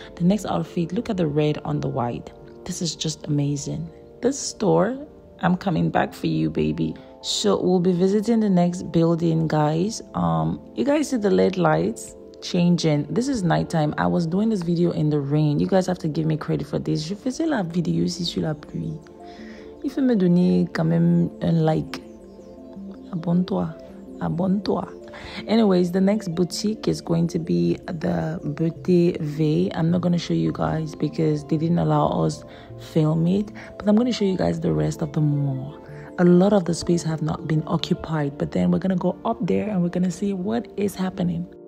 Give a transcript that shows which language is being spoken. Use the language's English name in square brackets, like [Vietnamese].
[English] The next outfit, look at the red on the white. This is just amazing. This store, I'm coming back for you, baby. So we'll be visiting the next building, guys. You guys see the LED lights changing. This is nighttime. I was doing this video in the rain. You guys have to give me credit for this. [French] Je faisais la vidéo ici sur la pluie. Il faut me donner quand même un like. Abonne-toi. Abonne-toi. [English] Anyways, the next boutique is going to be the Beauté V. I'm not going to show you guys because they didn't allow us film it. But I'm going to show you guys the rest of the mall. A lot of the space have not been occupied. But then we're going to go up there and we're going to see what is happening.